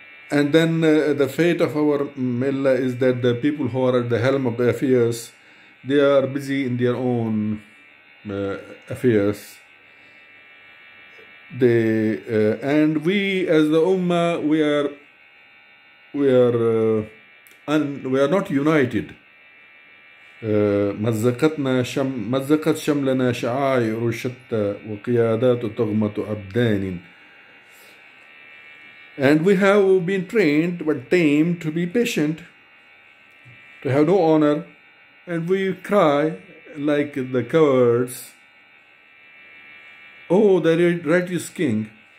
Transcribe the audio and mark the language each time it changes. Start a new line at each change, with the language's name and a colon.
English: And then the fate of our Millah is that the people who are at the helm of the affairs, they are busy in their own affairs. And we as the Ummah, we are not united.
Arabic: مزقت شملنا شعائر شتى وقيادات تغمة أبدان.
English: And we have been trained but tamed to be patient, to have no honor, and we cry like the cowards, oh, the righteous king.